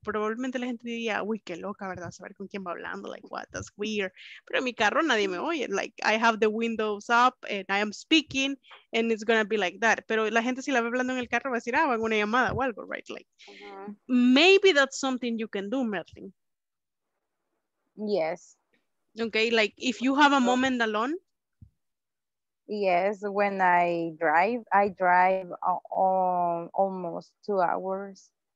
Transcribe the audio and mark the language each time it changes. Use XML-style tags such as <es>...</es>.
<es>Probablemente la gente diría, uy, qué loca, ¿verdad? Saber con quién va hablando,</es> <en>like, what, that's weird.</en> <es>Pero en mi carro nadie me oye.</es> <en>Like, I have the windows up and I am speaking and it's going to be like that.</en> <es>Pero la gente si la ve hablando en el carro va a decir, ah, una llamada o algo, right?</es> <en>Like, maybe that's something you can do, Merlin. Yes. Okay, like, if you have a moment alone. Yes, when I drive almost 2 hours.</en>